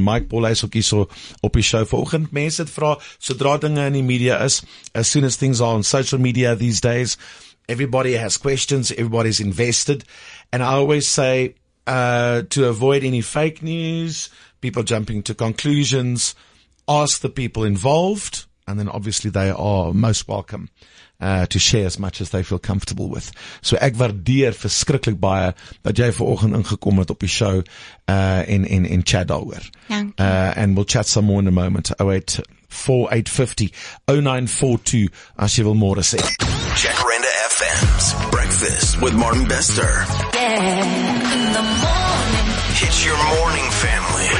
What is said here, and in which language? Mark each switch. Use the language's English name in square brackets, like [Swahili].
[Afrikaans] Mike Borlase ook hier so op die show. Vanoggend, mense het vra, sodra dinge in die media is, [English] as soon as things are on social media these days, everybody has questions, everybody's invested. And I always say, to avoid any fake news, people jumping to conclusions, ask the people involved, and then obviously they are most welcome to share as much as they feel comfortable with. [Afrikaans] So ek waardeer verskriklik baie dat jy vanoggend ingekom het op die show in chat daaroor. [English] And we'll chat some more in a moment. [Afrikaans] 084850-0942 as jy wil more sê. [English] Check Renda FM's Breakfast with Martin Bester. Yeah, in the morning. It's your morning, family.